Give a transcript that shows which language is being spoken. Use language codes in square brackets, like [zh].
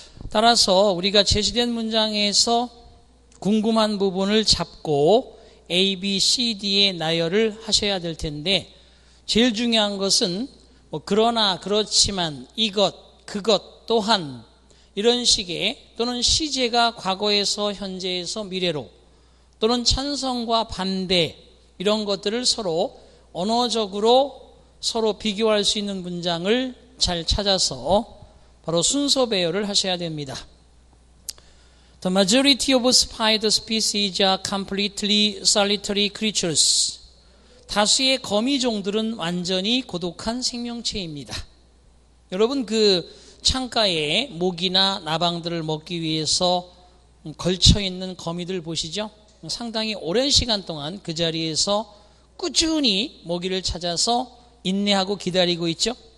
[ko] 따라서 우리가 제시된 문장에서 궁금한 부분을 잡고 A, B, C, D의 나열을 하셔야 될 텐데 제일 중요한 것은 뭐 그러나 그렇지만 이것, 그것 또한 이런 식의 또는 시제가 과거에서 현재에서 미래로 또는 찬성과 반대 이런 것들을 서로 언어적으로 서로 비교할 수 있는 문장을 잘 찾아서 바로 순서 배열을 하셔야 됩니다. [en] The majority of spider species are completely solitary creatures. [ko] 다수의 거미종들은 완전히 고독한 생명체입니다. 여러분 그 창가에 모기나 나방들을 먹기 위해서 걸쳐있는 거미들 보시죠? 상당히 오랜 시간 동안 그 자리에서 꾸준히 모기를 찾아서 인내하고 기다리고 있죠?